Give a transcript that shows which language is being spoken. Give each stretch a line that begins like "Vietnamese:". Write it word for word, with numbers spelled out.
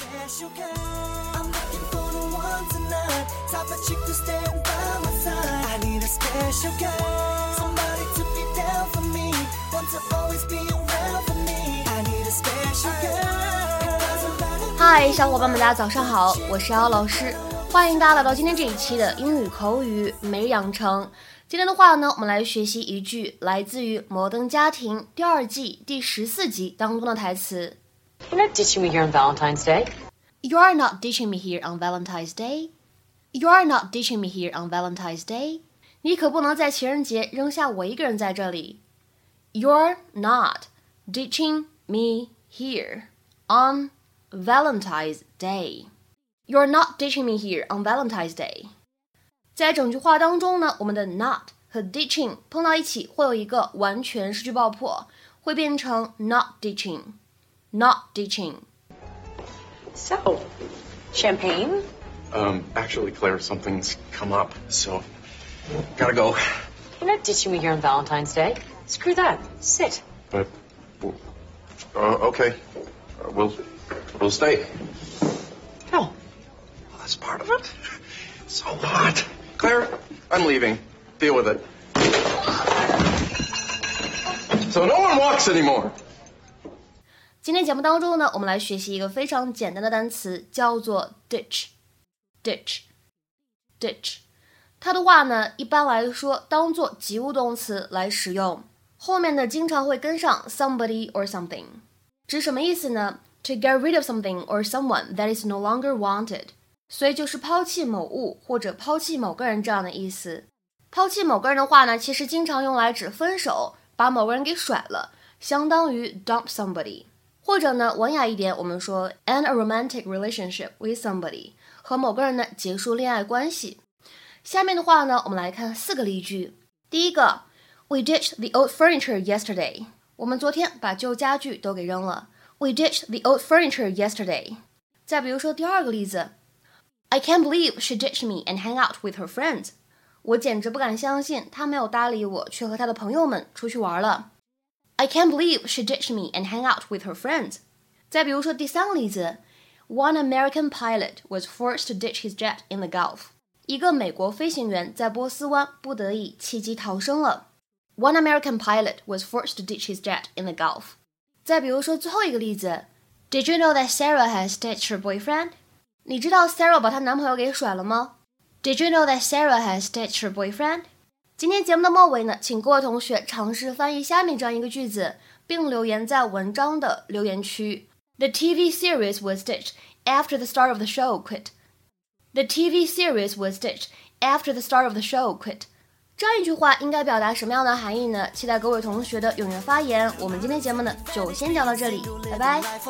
English: I'm looking for the one tonight, type of chick to stand by my side. I need a special girl, somebody to be down for me, want to always be around for me. I need a special girl.
Chinese: 嗨，小伙伴们，大家早上好，我是姚老师，欢迎大家来到今天这一期的英语口语每日养成。今天的话呢，我们来学习一句来自于《摩登家庭》第二季第十四集当中的台词。
English: You're not ditching me here on Valentine's Day. You are not ditching me here on Valentine's Day. You are not ditching me here on Valentine's Day.
Chinese: 你可不能在情人节扔下我一个人在这里。
English: You're not ditching me here on Valentine's Day. You're not ditching me here on Valentine's Day.
Chinese: 在整句话当中呢，我们的 not 和 ditching 碰到一起会有一个完全失去爆破，会变成
English: not ditching. Not ditching. So, champagne? Um, actually, Claire, something's come up, so gotta go. You're not ditching me here on Valentine's Day. Screw that. Sit. But, uh, okay. Uh, we'll, we'll stay. Oh. Well, that's part of it. So what? Claire, I'm leaving. Deal with it. So no one walks anymore.
Chinese: 今天节目当中呢，我们来学习一个非常简单的单词，叫做 ditch, ditch, ditch。它的话呢，一般来说当做及物动词来使用，后面呢经常会跟上
English: somebody or something。
Chinese: 指什么意思呢？
English: To get rid of something or someone that is no longer wanted，
Chinese: 所以就是抛弃某物或者抛弃某个人这样的意思。抛弃某个人的话呢，其实经常用来指分手，把某个人给甩了，相当于
English: dump somebody。
Chinese: 或者呢，文雅一点，我们说
English: end a romantic relationship with somebody，
Chinese: 和某个人呢结束恋爱关系。下面的话呢，我们来看四个例句。第一个
English: ，We ditched the old furniture yesterday。
Chinese: 我们昨天把旧家具都给扔了。
English: We ditched the old furniture yesterday。
Chinese: 再比如说第二个例子
English: ，I can't believe she ditched me and hang out with her friends。
Chinese: 我简直不敢相信她没有搭理我，去和她的朋友们出去玩了。
English: I can't believe she ditched me and hang out with her friends.
Chinese: 再比如说第三个例子
English: ，One American pilot was forced to ditch his jet in the Gulf.
Chinese: 一个美国飞行员在波斯湾不得已弃机逃生了。
English: One American pilot was forced to ditch his jet in the Gulf.
Chinese: 再比如说最后一个例子
English: ，Did you know that Sarah has ditched her boyfriend?
Chinese: 你知道 Sarah 把她男朋友给甩了吗
English: ？Did you know that Sarah has ditched her boyfriend?
Chinese: 今天节目的末尾呢，请各位同学尝试翻译下面这样一个句子，并留言在文章的留言区。
English: The T V series was ditched after the star of the show quit. The T V series was ditched after the star of the show quit.
Chinese: 这样一句话应该表达什么样的含义呢？期待各位同学的踊跃发言。我们今天节目呢，就先聊到这里，拜拜。